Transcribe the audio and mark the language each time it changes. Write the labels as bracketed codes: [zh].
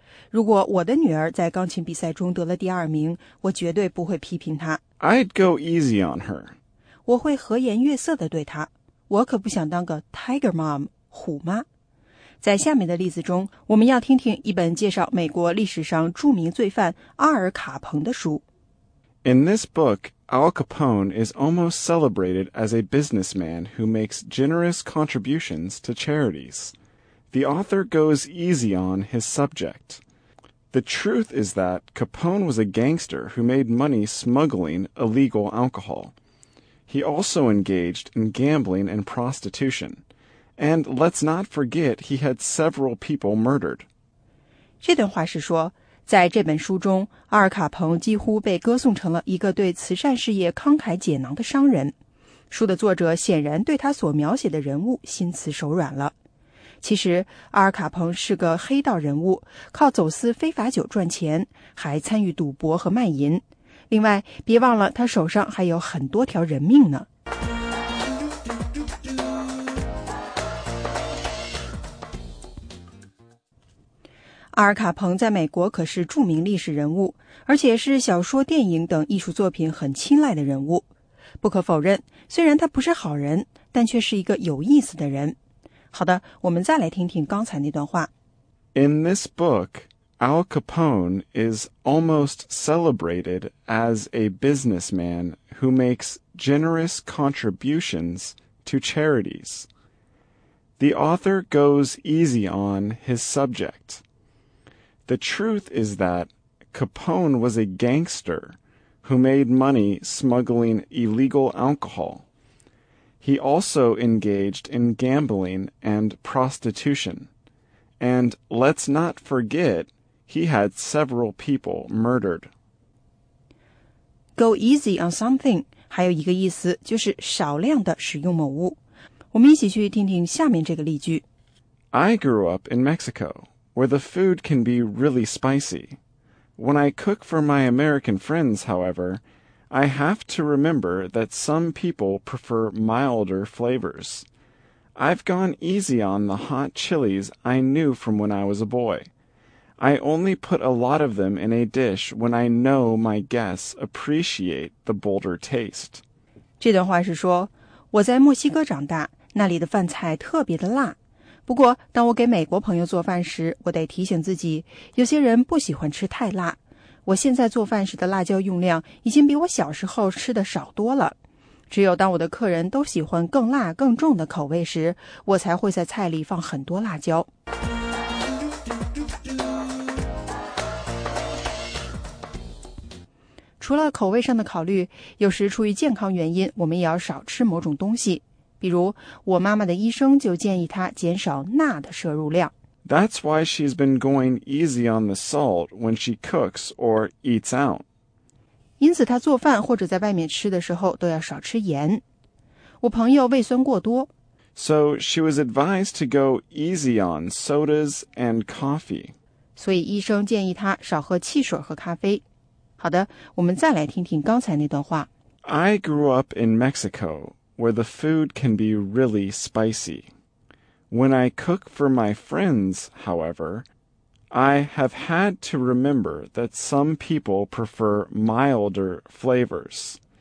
[zh] 如果我的女儿在钢琴比赛中得了2名，我绝对不会批评她。 [en] I'd go easy on her. [zh] 我会和颜悦色地对她。我可不想当个 [en] tiger mom, [zh] 虎妈。在下面的例子中，我们要听听一本介绍美国历史上著名罪犯阿尔卡彭的书。 [en] In this book, Al Capone is almost celebrated as a businessman who makes generous contributions to charities. The author goes easy on his subject. The truth is that Capone was a gangster who made money smuggling illegal alcohol. He also engaged in gambling and prostitution. And let's not forget he had several people murdered. [zh] 这段话是说，在这本书中，阿尔卡彭几乎被歌颂成了一个对慈善事业慷慨解囊的商人。书的作者显然对他所描写的人物心慈手软了。其实，阿尔卡彭是个黑道人物，靠走私非法酒赚钱，还参与赌博和卖淫。另外，别忘了他手上还有很多条人命呢。阿尔卡彭在美国可是著名历史人物，而且是小说、电影等艺术作品很青睐的人物。不可否认，虽然他不是好人，但却是一个有意思的人。好的，我们再来听听刚才那段话。 [en] In this book, Al Capone is almost celebrated as a businessman who makes generous contributions to charities. The author goes easy on his subject. The truth is that Capone was a gangster who made money smuggling illegal alcohol. He also engaged in gambling and prostitution. And let's not forget, he had several people murdered. Go easy on something [zh] 还有一个意思就是少量的使用某物。我们一起去听听下面这个例句。 [en] I grew up in Mexico, where the food can be really spicy. When I cook for my American friends, however, I have to remember that some people prefer milder flavors. I've gone easy on the hot chilies I knew from when I was a boy. I only put a lot of them in a dish when I know my guests appreciate the bolder taste. [zh] 这段话是说，我在墨西哥长大，那里的饭菜特别的辣。不过，当我给美国朋友做饭时，我得提醒自己，有些人不喜欢吃太辣。我现在做饭时的辣椒用量已经比我小时候吃的少多了。只有当我的客人都喜欢更辣更重的口味时，我才会在菜里放很多辣椒。除了口味上的考虑，有时出于健康原因，我们也要少吃某种东西。比如，我妈妈的医生就建议她减少钠的摄入量。 [en] That's why she's been going easy on the salt when she cooks or eats out. [zh] 因此他做饭或者在外面吃的时候都要少吃盐。我朋友胃酸过多。 [en] So she was advised to go easy on sodas and coffee. [zh] 所以医生建议他少喝汽水和咖啡。好的，我们再来听听刚才那段话。 [en] I grew up in Mexico, where the food can be really spicy. When I cook for my friends, however... I have had to remember that some people prefer milder flavors.